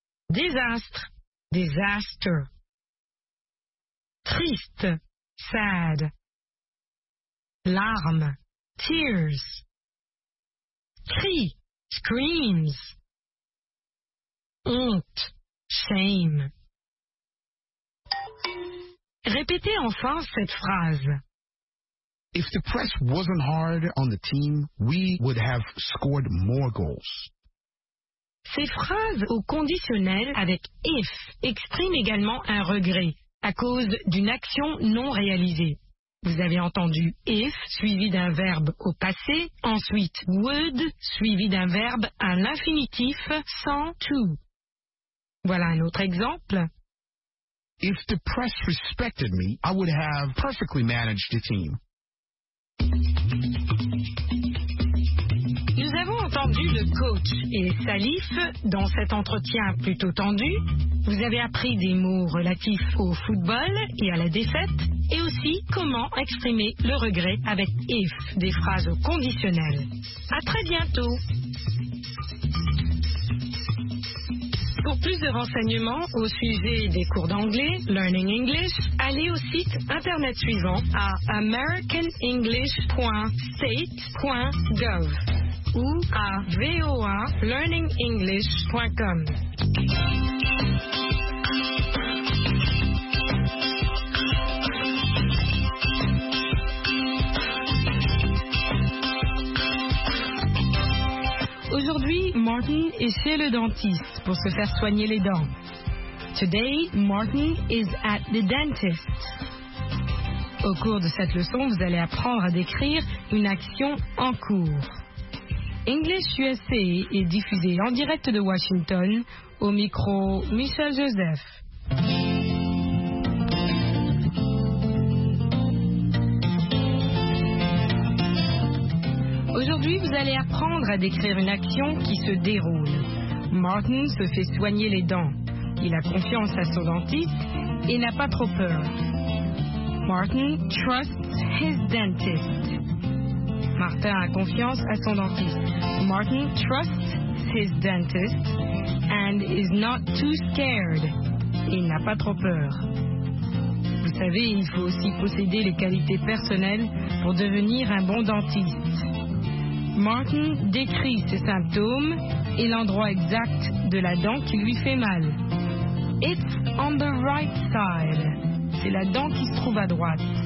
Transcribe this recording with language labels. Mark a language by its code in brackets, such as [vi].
[fr] Désastre. Disaster. Triste. Sad. Larmes. Tears. Cris. Screams. Honte. Shame. Répétez enfin cette phrase. [en] If the press wasn't hard on the team, we would have scored more goals. [fr] Ces phrases au conditionnel avec « if » expriment également un regret à cause d'une action non réalisée. Vous avez entendu « if » suivi d'un verbe au passé, ensuite « would » suivi d'un verbe à l'infinitif sans « to ». Voilà un autre exemple. [en] If the press respected me, I would have perfectly managed the team. [fr] Nous avons entendu le coach et Salif dans cet entretien plutôt tendu. Vous avez appris des mots relatifs au football et à la défaite, et aussi comment exprimer le regret avec if, des phrases conditionnelles. À très bientôt. Pour plus de renseignements au sujet des cours d'anglais, Learning English, allez au site internet suivant à americanenglish.state.gov. Ou à voalearningenglish.com. Aujourd'hui, Martin est chez le dentiste pour se faire soigner les dents. [en] Today, Martin is at the dentist. [fr] Au cours de cette leçon, vous allez apprendre à décrire une action en cours. English USA est diffusé en direct de Washington au micro Michel Joseph. Aujourd'hui, vous allez apprendre à décrire une action qui se déroule. Martin se fait soigner les dents. Il a confiance à son dentiste et n'a pas trop peur. [en] Martin trusts his dentist. [fr] Martin a confiance à son dentiste. [en] Martin trusts his dentist and is not too scared. [fr] Il n'a pas trop peur. Vous savez, il faut aussi posséder les qualités personnelles pour devenir un bon dentiste. Martin décrit ses symptômes et l'endroit exact de la dent qui lui fait mal. [en] It's on the right side. [fr] C'est la dent qui se trouve à droite.